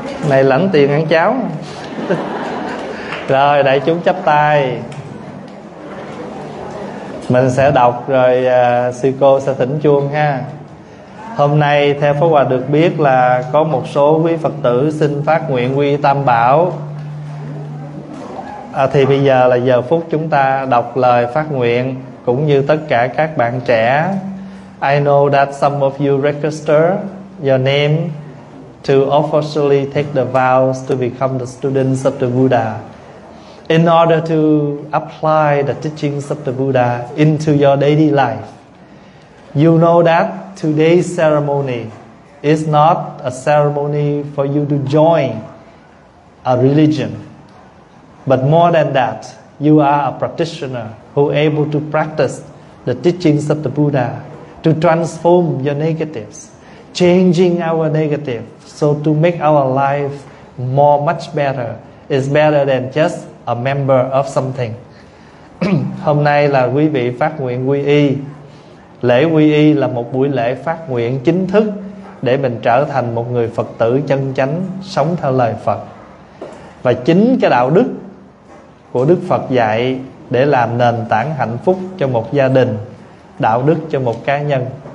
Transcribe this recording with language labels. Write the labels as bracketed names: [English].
[Vietnamese] Này lãnh tiền ăn cháo. Rồi đại chúng chắp tay, mình sẽ đọc rồi sư cô sẽ thỉnh chuông ha. Hôm nay theo Pháp Hòa được biết là có một số quý Phật tử xin phát nguyện quy Tam Bảo. Thì bây giờ là giờ phút chúng ta đọc lời phát nguyện, cũng như tất cả các bạn trẻ. [English] I know that some of you register your name to officially take the vows to become the students of the Buddha. In order to apply the teachings of the Buddha into your daily life, you know that today's ceremony is not a ceremony for you to join a religion. But more than that, you are a practitioner who is able to practice the teachings of the Buddha to transform your negatives, changing our negative, so to make our life more, much better. It's better than just a member of something. [Vietnamese] Hôm nay là quý vị phát nguyện quy y. Lễ quy y là một buổi lễ phát nguyện chính thức để mình trở thành một người Phật tử chân chánh, sống theo lời Phật. Và chính cái đạo đức của Đức Phật dạy để làm nền tảng hạnh phúc cho một gia đình, đạo đức cho một cá nhân.